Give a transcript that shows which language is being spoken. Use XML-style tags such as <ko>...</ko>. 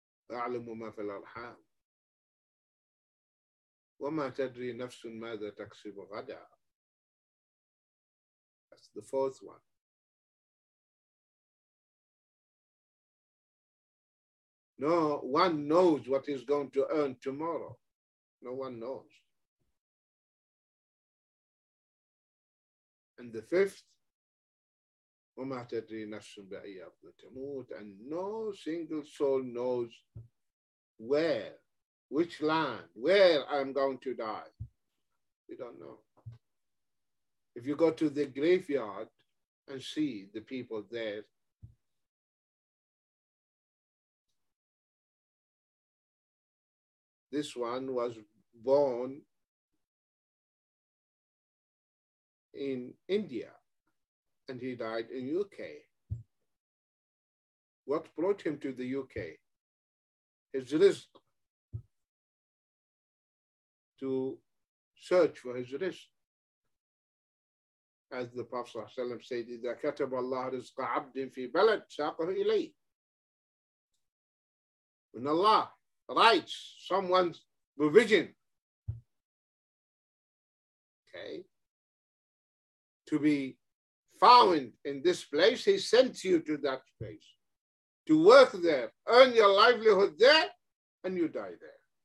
<ar>أَعْلَمُ مَا فِي الْأَرْحَامِ وَمَا تَدْرِي نَفْسٌ مَاذَا تَكْسِبُ غَدًا.</ar> <en>That's the fourth one. No one knows what he's going to earn tomorrow. No one knows. And the fifth,</en> <ar>وَمَا تَدْرِي نَفْسٌ بَأَيَّ أَرْضٍ تَمُوتُ.</ar> <en>And no single soul knows where, which land, where I'm going to die. We don't know. If you go to the graveyard and see the people there, this one was born in India and he died in UK. What brought him to the UK? His rizq, to search for his rizq. As the Prophet ﷺ said,</en> <ar>إِذَا كَتَبَ اللَّهُ رِزْقَ عَبْدٍ فِي بَلَدٍ سَاقَهُ إِلَيْهِ.</ar> <en>When Allah writes someone's provision, okay, to be found in this place, he sends you to that place to work there, earn your livelihood there, and you die there.</en>